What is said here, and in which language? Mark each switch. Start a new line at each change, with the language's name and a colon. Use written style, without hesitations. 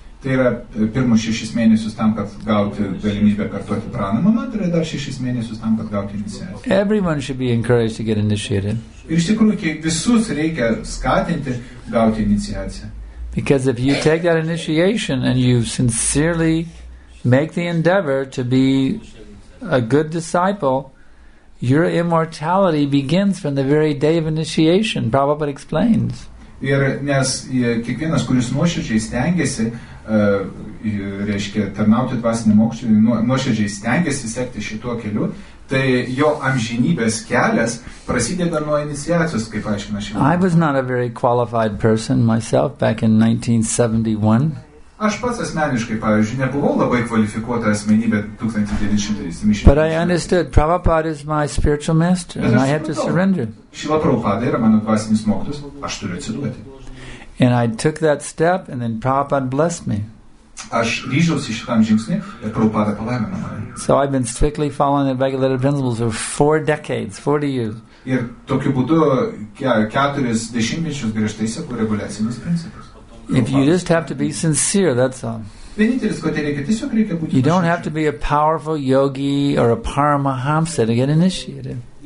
Lithuanian: Tai yra pirmus 6 mėnesius tam, kad gauti galimybę kartuoti pranamą mantra, ir dar 6 mėnesius tam, kad gauti iniciaciją.
English: Everyone should be encouraged to get initiated.
Lithuanian: Ir iš tikrųjų, kiek visus reikia skatinti gauti iniciaciją.
English: Because if you take that initiation and you sincerely make the endeavor to be a good disciple, your immortality begins from the very day of initiation, Prabhupada explains.
Lithuanian: Ir nes kiekvienas, kuris nuoširdžiai stengiasi reiškia, tarnauti dvasiniam mokytojui, nuoširdžiai stengiasi sekti šituo keliu, tai jo amžinybės kelias prasideda nuo iniciacijos, kaip aiškina šiandien.
English: I was not a very qualified person myself back in 1971.
Lithuanian: Aš pats asmeniškai, pavyzdžiui, nebuvau labai kvalifikuota asmenybė 1970.
English: But I understood, Prabhupada is my spiritual master, and I had to surrender.
Lithuanian: Šila Prabhupada yra mano dvasinis mokytojas, aš turiu atsiduoti.
English: And I took that step, and then Prabhupada blessed me.
Lithuanian: Aš ryžiausi šitam žingsnį, ir Prabhupada palaimino mane.
English: So I've been strictly following the regulative principles for 40 years.
Lithuanian: Ir tokiu būdu keturis dešimtmečius griežtai sekau reguliacinius principus.
English: If you just have to be sincere, that's all. You don't have to be a powerful yogi or a paramahamsa to get initiated.